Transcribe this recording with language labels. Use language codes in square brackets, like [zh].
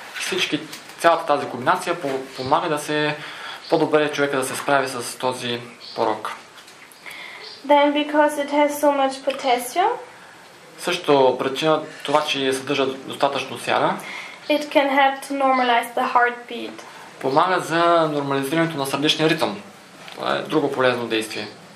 [bg] Всички, цялата тази комбинация помага да се по-добре човека да се справи с този порок. [en] Then because it has so much potassium. [bg] Също причина това, че съдържа достатъчно сяра. [en] It can help to normalize the heartbeat. [bg] Помага за нормализирането на сърдечния ритъм. Това е друго полезно действие.